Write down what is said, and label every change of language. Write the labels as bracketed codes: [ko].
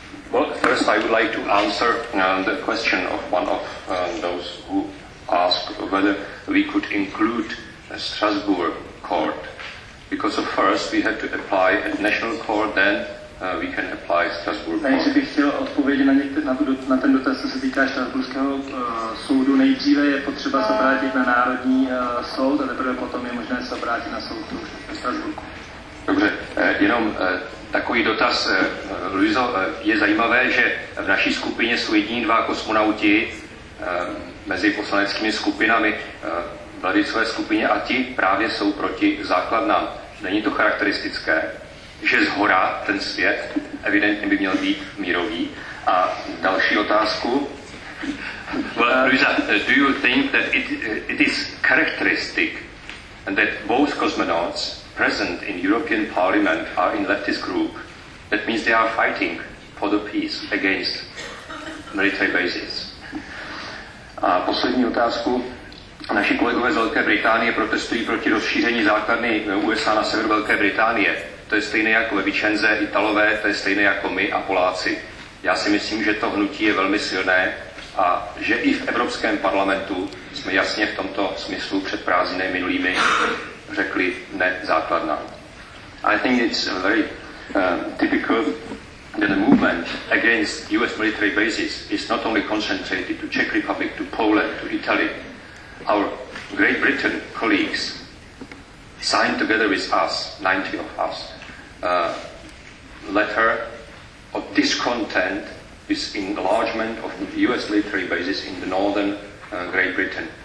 [en] Well, first I would like to answer the question of one of those who asked whether we could include a Strasbourg court, because of first we had to apply at national court, then we can apply Strasbourg court. [cs] Takže bych chtěl odpovědět na ten dotaz, co se týká Štrasburského soudu. Nejdříve je potřeba se obrátit na Národní soud a teprve potom je možné se obrátit na soud v Strasbourgu. Dobře, jenom takový dotaz, Luizo, je zajímavé, že v naší skupině jsou jediní dva kosmonauti mezi poslaneckými skupinami v levicové skupině a ti právě jsou proti základnám. Není to charakteristické, že zhora ten svět evidentně by měl být mírový. A další otázku. [en] Well, Luisa, do you think that it is characteristic that both cosmonauts present in European Parliament are in leftist group? That means they are fighting for the peace against military bases. [cs] A poslední otázku. Naši kolegové z Velké Británie protestují proti rozšíření základny USA na sever Velké Británie. To je stejné jako Levičenze, Italové, to je stejné jako my a Poláci. Já si myslím, že to hnutí je velmi silné a že i v Evropském parlamentu jsme jasně v tomto smyslu před prázdniny minulými řekli ne základna. [en] I think it's very typical that the movement against US military bases is not only concentrated to Czech Republic, to Poland, to Italy. Our Great Britain colleagues signed together with us, 90 of us, a letter of discontent with enlargement of US military bases in the northern Great Britain.